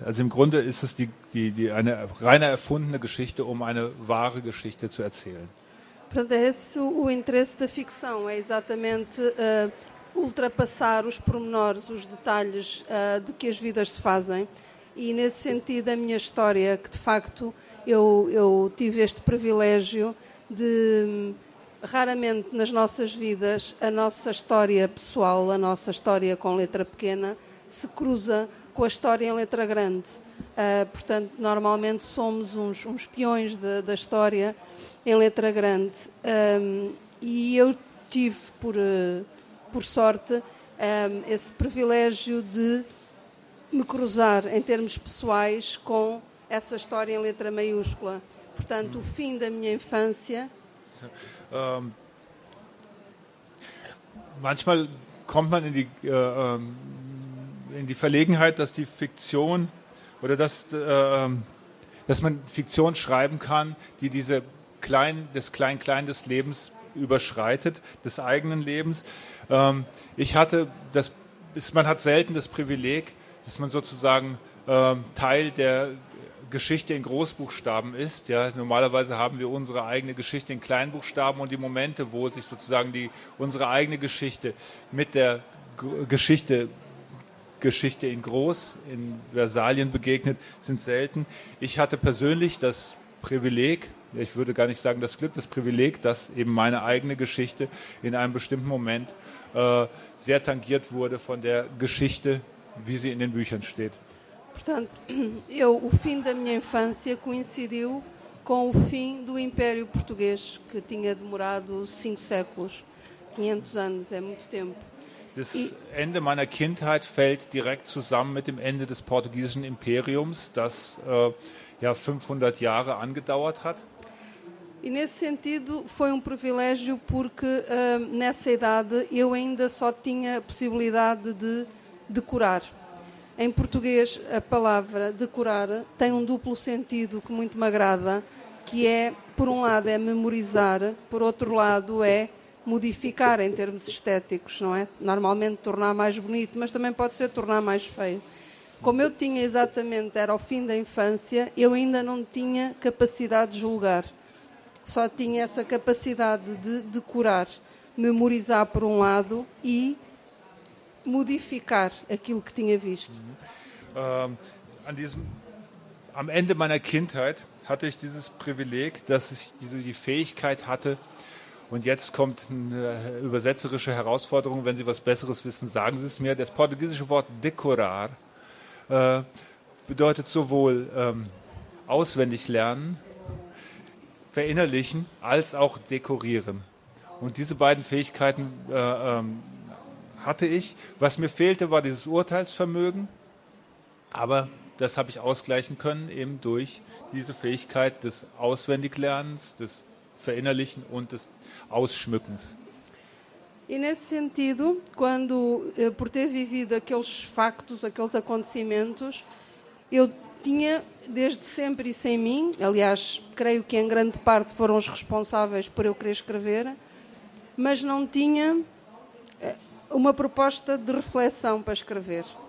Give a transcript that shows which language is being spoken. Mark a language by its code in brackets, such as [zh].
[de] Also im Grunde ist es die eine reine erfundene Geschichte, um eine wahre Geschichte zu erzählen. [pt] Portanto, é esse o interesse da ficção, é exatamente ultrapassar os pormenores, os detalhes de que as vidas se fazem. E nesse sentido, a minha história, que de facto eu tive este privilégio de, raramente nas nossas vidas, a nossa história pessoal, a nossa história com letra pequena, se cruza com a história em letra grande. Portanto, normalmente somos uns peões da história em letra grande. E eu tive, por sorte, esse privilégio de me cruzar, em termos pessoais, com essa história em letra maiúscula. Portanto, o fim da minha infância, [de] Manchmal kommt man in die Verlegenheit, dass die Fiktion oder dass man Fiktion schreiben kann, die diese das Klein-Klein des Lebens überschreitet, des eigenen Lebens. Man hat selten das Privileg, dass man sozusagen Teil der Geschichte in Großbuchstaben ist. Ja, normalerweise haben wir unsere eigene Geschichte in Kleinbuchstaben und die Momente, wo sich sozusagen unsere eigene Geschichte mit der Geschichte in Groß, in Versalien begegnet, sind selten. Ich hatte persönlich das Privileg, ich würde gar nicht sagen das Glück, das Privileg, dass eben meine eigene Geschichte in einem bestimmten Moment sehr tangiert wurde von der Geschichte, wie sie in den Büchern steht. [pt] Portanto, o fim da minha infância coincidiu com o fim do Império Português, que tinha demorado 5 séculos. 500 anos é muito tempo. [de] Das Ende meiner Kindheit fällt direkt zusammen mit dem Ende des portugiesischen Imperiums, das 500 Jahre angedauert hat. [pt] E nesse sentido foi privilégio porque nessa idade eu ainda só tinha possibilidade de decorar. Em português a palavra decorar tem duplo sentido que muito me agrada, que é, por lado é memorizar, por outro lado é modificar em termos estéticos, não é? Normalmente tornar mais bonito, mas também pode ser tornar mais feio. Como eu tinha exatamente, era o fim da infância, eu ainda não tinha capacidade de julgar. Só tinha essa capacidade de decorar, memorizar por lado e modificar aquilo que tinha visto. [de] Am Ende meiner Kindheit hatte ich dieses Privileg, dass ich die Fähigkeit hatte, und jetzt kommt eine übersetzerische Herausforderung, wenn Sie was Besseres wissen, sagen Sie es mir, das portugiesische Wort decorar bedeutet sowohl auswendig lernen, verinnerlichen, als auch dekorieren. Und diese beiden Fähigkeiten hatte ich. Was mir fehlte, war dieses Urteilsvermögen, aber das habe ich ausgleichen können, eben durch diese Fähigkeit des Auswendiglernens, des Verinnerlichen und des Ausschmückens. [pt] E nesse sentido, quando, por ter vivido aqueles factos, aqueles acontecimentos, eu tinha desde sempre isso em mim, aliás, creio que em grande parte foram os responsáveis por eu querer escrever, mas não tinha uma proposta de reflexão para escrever.